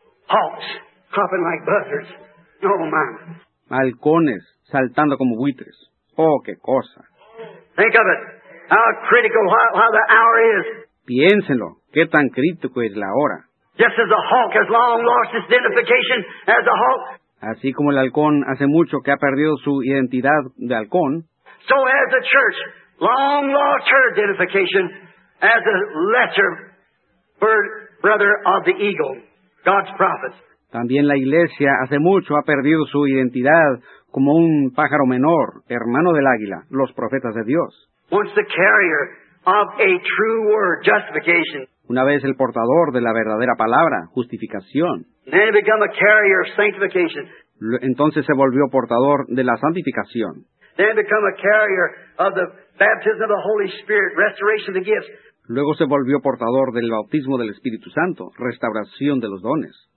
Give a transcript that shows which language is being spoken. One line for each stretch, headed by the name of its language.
English: Hawks hopping like buzzards. No, man.
Spanish: Halcones saltando como buitres. Oh, qué cosa.
English: Think of it. How critical how the hour is.
Spanish: Piénsenlo. Qué tan crítico es la hora.
English: Just as a hawk has long lost its identification as a hawk.
Spanish: Así como el halcón hace mucho que ha perdido su identidad de halcón.
English: So has the church long lost her identification as a lesser bird brother of the eagle. God's prophets.
Spanish: También la iglesia hace mucho ha perdido su identidad como un pájaro menor, hermano del águila, los profetas de Dios.
English: Once the carrier of a true word, justification.
Spanish: Una vez el portador de la verdadera palabra, justificación.
English: Then he became a carrier of sanctification.
Spanish: Entonces se volvió portador de la santificación.
English: Then he became a carrier of the baptism of the Holy Spirit, restoration of the gifts.
Spanish: Luego se volvió portador del bautismo del Espíritu Santo, restauración de los dones.